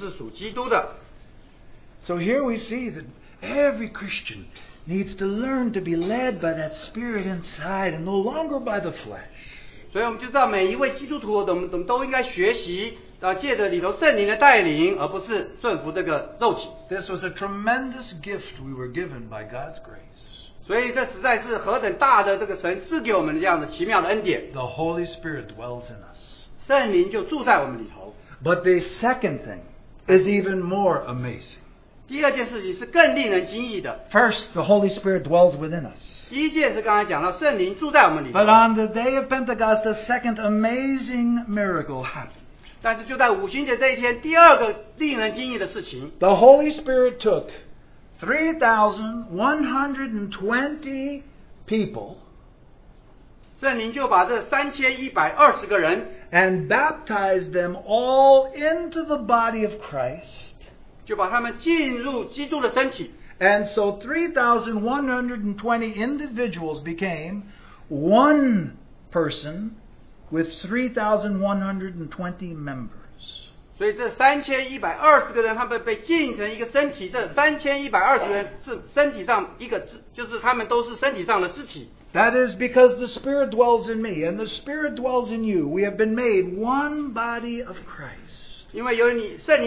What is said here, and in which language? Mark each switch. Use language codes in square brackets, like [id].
[zh] 如果神的灵住在你们心里，你们就不属肉体，乃属圣灵了。人若没有基督的灵，就不是属基督的。 [en] So here we see that every Christian needs to learn to be led by that Spirit inside and no longer by the flesh. This was a tremendous gift we were given by God's grace. The Holy Spirit dwells in us. But the second thing is even more amazing. First, the Holy Spirit dwells within us. But on the day of Pentecost, the second amazing miracle happened. The Holy Spirit took 3,120 people [zh] 圣灵就把这3120个人 [en] and baptized them all into the body of Christ. [zh] 就把他们进入基督的身体。 [en] And so 3,120 individuals became one person with 3,120 members. [zh] 所以这3120个人他们被进成一个身体，这3120人是身体上一个，就是他们都是身体上的肢体。 [en] That is because the Spirit dwells in me and the Spirit dwells in you. We have been made one body of Christ.